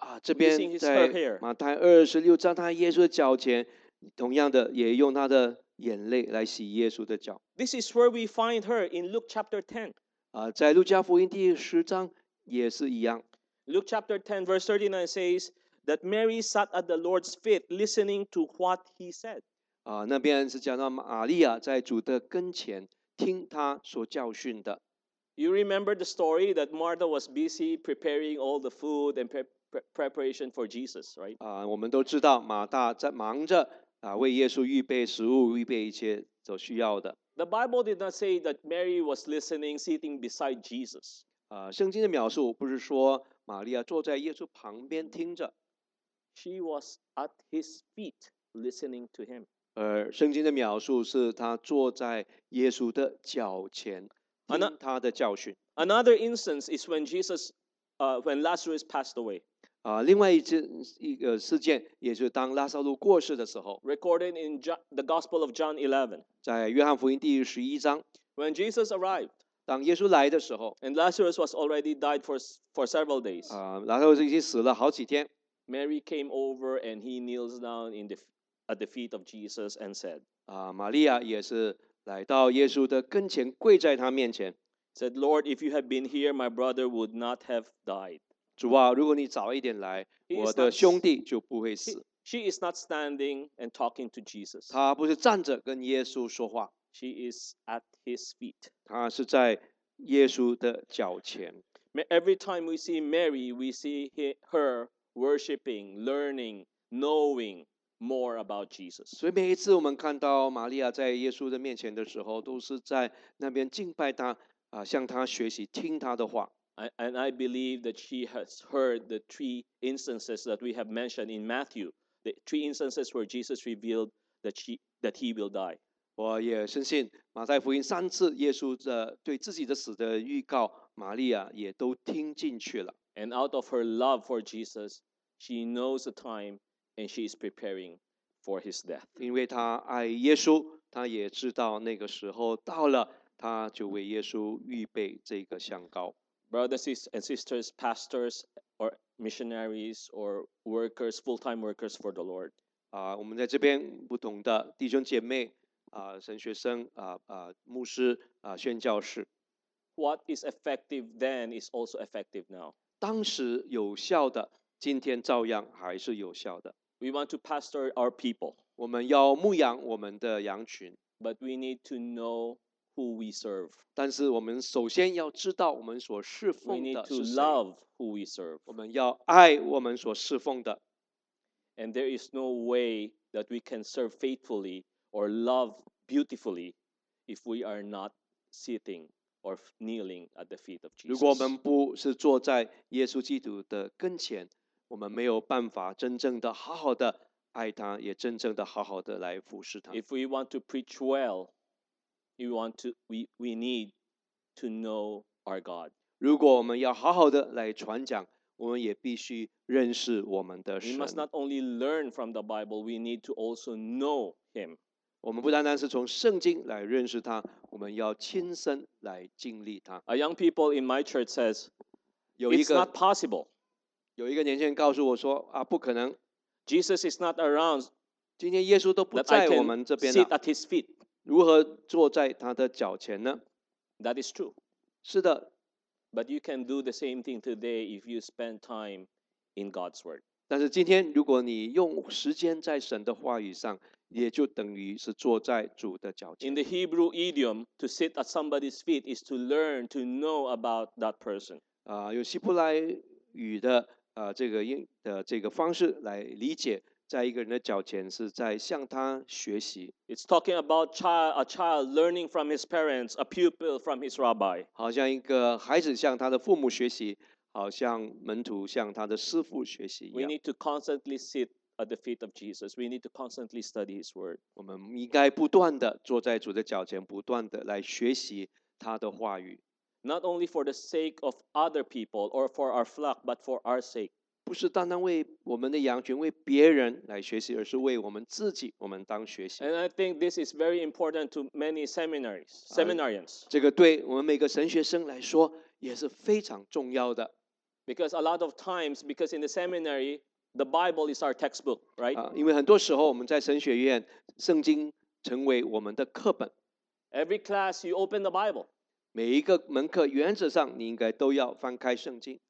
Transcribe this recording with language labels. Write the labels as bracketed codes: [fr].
[zh] 这边在马太二十六章，她耶稣的脚前。同样的，也用他的眼泪来洗耶稣的脚。 [en] This is where we find her in Luke chapter 10. [zh] 在路加福音第十章也是一样。 [en] Luke chapter 10 verse 39 says that Mary sat at the Lord's feet, listening to what he said. [zh] 那边是讲到玛利亚在主的跟前听他所教训的。 [en] You remember the story that Martha was busy preparing all the food and preparation for Jesus, right? [zh] 我们都知道马大在忙着。为耶稣预备食物，预备一切所需要的。 [en] The Bible did not say that Mary was listening, sitting beside Jesus. [zh] 圣经的描述不是说玛利亚坐在耶稣旁边听着。 [en] She was at his feet, listening to him. [zh] 圣经的描述是她坐在耶稣的脚前，听他的教训。 [en] Another instance is when Jesus, when Lazarus passed away. [zh] 另外一个事件，也就是当拉撒路过世的时候 [en] ，recorded in the Gospel of John 11， [zh] 在约翰福音第十一章 [en] ，when Jesus arrived， [zh] 当耶稣来的时候 [en] ，and Lazarus was already died for several days， [zh] 拉撒路已经死了好几天 [en] ，Mary came over and he kneels down at the feet of Jesus and said， [zh] 玛利亚也是来到耶稣的跟前，跪在他面前 [en] ，said Lord， if you had been here， my brother would not have died。 [zh] 主啊，如果你早一点来，我的兄弟就不会死。 [en] She is not standing and talking to Jesus. [zh] 她不是站着跟耶稣说话。 [en] She is at his feet. [zh] 她是在耶稣的脚前。 [en] Every time we see Mary, we see her worshiping, learning, knowing more about Jesus. [zh] 所以每一次我们看到玛利亚在耶稣的面前的时候，都是在那边敬拜他，向他学习，听他的话。 [en] And I believe that she has heard the three instances that we have mentioned in Matthew, the three instances where Jesus revealed that he will die. [zh] 我也深信马太福音三次耶稣的对自己的死的预告，玛利亚也都听进去了。 [en] And out of her love for Jesus, she knows the time and she is preparing for his death. [zh] 因为她爱耶稣，他也知道那个时候到了，他就为耶稣预备这个香膏。 [en] Brothers and sisters, pastors or missionaries or workers, full-time workers for the Lord. [zh] 我们在这边不同的弟兄姐妹神学生牧师宣教士。 [en] What is effective then is also effective now. [zh] 当时有效的，今天照样还是有效的。 [en] We want to pastor our people. [zh] 我们要牧养我们的羊群。 [en] But we need to know who we serve. [zh] 但是我们首先要知道我们所侍奉的是谁。 [en] We need to love who we serve. [zh] 我们要爱我们所侍奉的。 [en] And there is no way that we can serve faithfully or love beautifully if we are not sitting or kneeling at the feet of Jesus. [zh] 如果我们不是坐在耶稣基督的跟前，我们没有办法真正的好好的爱他，也真正的好好的来服侍他。 [en] If we want to preach well, we need to know our God. [zh] 如果我们要好好的来传讲，我们也必须认识我们的神。 [en] We must not only learn from the Bible, we need to also know Him. [zh] 我们不单单是从圣经来认识他，我们要亲身来经历他。 [en] A young people in my church says, it's not possible. [zh] 有一个年轻人告诉我说不可能。 [en] Jesus is not around. [zh] 今天耶稣都不在我们这边了。 [en] Sit at his feet. [zh] 如何坐在他的脚前呢？ [en] That is true. [zh] 是的。 [en] But you can do the same thing today if you spend time in God's word. [zh] 但是今天如果你用时间在神的话语上，也就等于是坐在主的脚前。 [en] In the Hebrew idiom, to sit at somebody's feet is to learn to know about that person. [zh] 有希伯来语的这个方式来理解，在一个人的脚前是在向他学习。 [en] It's talking about a child learning from his parents, a pupil from his rabbi. [zh] 好像一个孩子向他的父母学习，好像门徒向他的师父学习一样。 [en] We need to constantly sit at the feet of Jesus. We need to constantly study his word. [zh] 我们应该不断的坐在主的脚前，不断的来学习他的话语。 [en] Not only for the sake of other people or for our flock, but for our sake. [zh] 不是单单为我们的羊群，为别人来学习，而是为我们自己，我们当学习。 [en] And I think this is very important to many seminarians. [zh] 这个对我们每个神学生来说也是非常重要的。 [en] Because a lot of times, because in the seminary, the Bible is our textbook, right? [zh] 因为很多时候我们在神学院，圣经成为我们的课本。 [en] Every class, you open the Bible. [zh] 每一个门课原则上你应该都要翻开圣经。